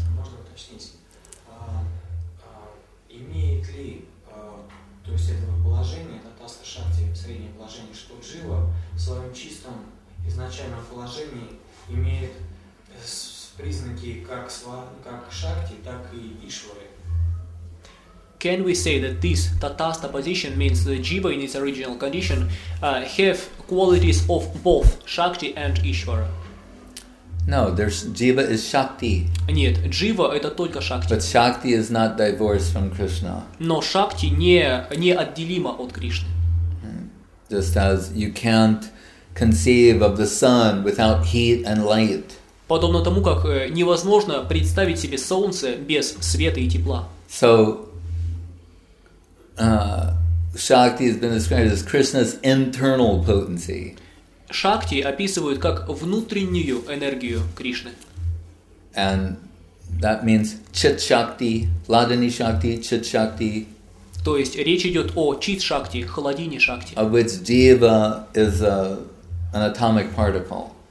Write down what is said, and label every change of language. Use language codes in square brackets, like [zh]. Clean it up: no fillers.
[ru] Можно уточнить, имеет ли, то есть это положение, среднее положение, что джива в своем чистом изначальном положении имеет признаки как, как шакти, так и ишвары. [en] Can we say that this tatastha position means the jiva in its original condition have qualities of both shakti and ishvara? No, there's jiva is shakti. [ru] Нет, jiva это только шакти. [en] But shakti is not divorced from Krishna. [ru] Но шакти не отделима от Кришны. [en] Just as you can't conceive of the sun without heat and light. [ru] Подобно тому, как невозможно представить себе солнце без света и тепла. [en] So, shakti has been described as Krishna's internal potency. [ru] Шакти описывают как внутреннюю энергию Кришны. [en] And that means chit-shakti, ladini-shakti, chit-shakti. [ru] То есть речь идет о чит-шакти, холодине-шакти. [en] Of which jiva is an atomic particle.